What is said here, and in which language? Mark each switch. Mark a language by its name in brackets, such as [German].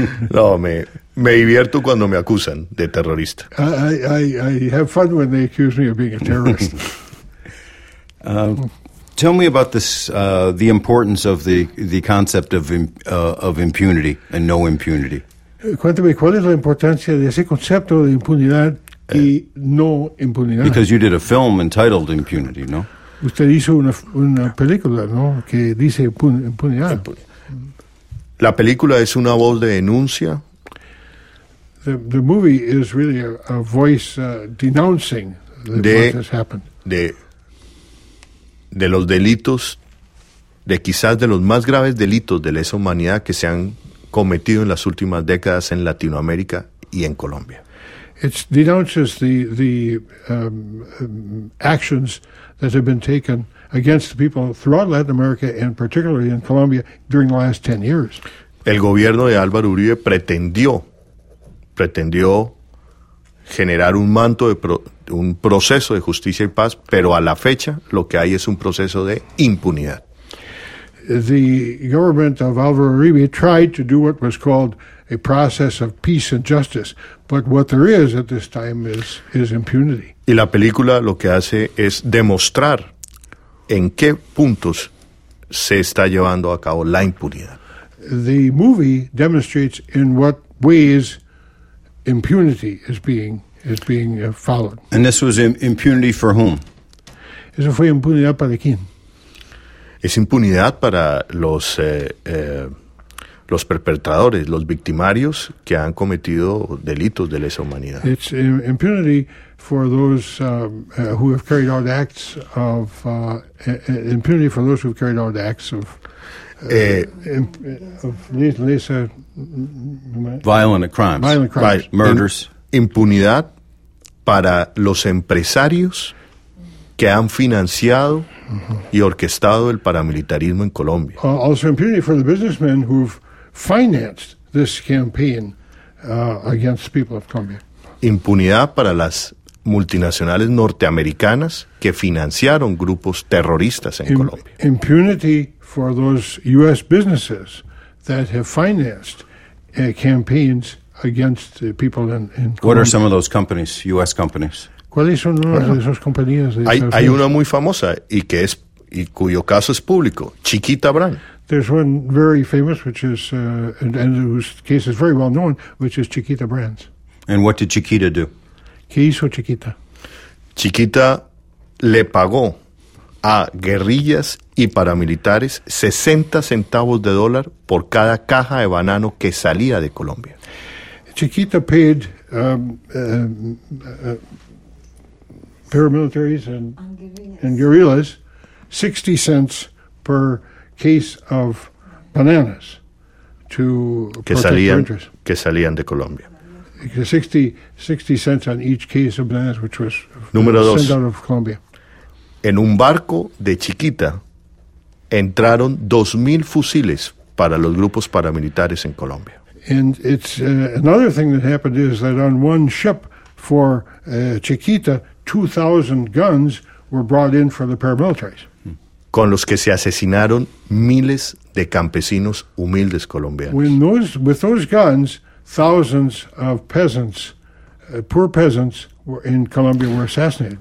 [Spanish] No, me divierto cuando me acusan de terrorista. [English] I have fun when they accuse me of being a terrorist. Tell me about this, the importance of the concept of impunity and no impunity. [Spanish] Cuéntame, ¿cuál es la importancia de ese concepto de impunidad y no impunidad? [English] Because you did a film entitled Impunity, no? [Spanish] Usted hizo una película, ¿no?, que dice impunidad. La película es una voz de denuncia. [English] The movie is really a voice denouncing [Spanish] de, [English] what has happened. [Spanish] De los delitos, de quizás de los más graves delitos de lesa humanidad que se han cometido en las últimas décadas en Latinoamérica y en Colombia. [English] It denounces the actions that have been taken against the people throughout Latin America and particularly in Colombia during the last 10 years. [Spanish] El gobierno de Álvaro Uribe pretendió generar un manto de un proceso de justicia y paz, pero a la fecha lo que hay es un proceso de impunidad. [English] The government of Álvaro Uribe tried to do what was called a process of peace and justice, but what there is at this time is impunity. [Spanish] Y la película lo que hace es demostrar en qué puntos se está llevando a cabo la impunidad. [English] The movie demonstrates in what ways impunity is being followed. And this was impunity for whom? [Spanish] ¿Eso fue impunidad para quién? Es impunidad para los perpetradores, los victimarios que han cometido delitos de lesa humanidad. [English] It's impunity for those who have carried out acts of impunity for those who have carried out acts of violent crimes, murders. [Spanish] Impunidad para los empresarios que han financiado y orquestado el paramilitarismo en Colombia. [English] Also impunity for the businessmen who've financed this campaign against the people of Colombia. [Spanish] Impunidad para las multinacionales norteamericanas que financiaron grupos terroristas en Colombia. [English] Impunity for those U.S. businesses that have financed campaigns against the people in Colombia. What are some of those companies, U.S. companies? [Spanish] ¿Cuáles son las de esas compañías? Hay una muy famosa y cuyo caso es público, Chiquita Brand. [English] There's one very famous, which is and whose case is very well known, which is Chiquita Brands. And what did Chiquita do? [Spanish] ¿Qué hizo Chiquita? Chiquita le pagó a guerrillas y paramilitares 60 centavos de dólar por cada caja de banano que salía de Colombia. [English] Chiquita paid paramilitaries and guerrillas 60 cents per case of bananas to [Spanish] que salían, que salían de Colombia. [English] 60 cents on each case of bananas which was sent out of Colombia. [Spanish] En un barco de Chiquita entraron 2,000 fusiles para los grupos paramilitares en Colombia. [English] And it's another thing that happened is that on one ship for Chiquita 2,000 guns were brought in for the paramilitaries. [Spanish] Con los que se asesinaron miles de campesinos humildes colombianos. [English] With those guns, thousands of peasants, poor peasants, in Colombia were assassinated.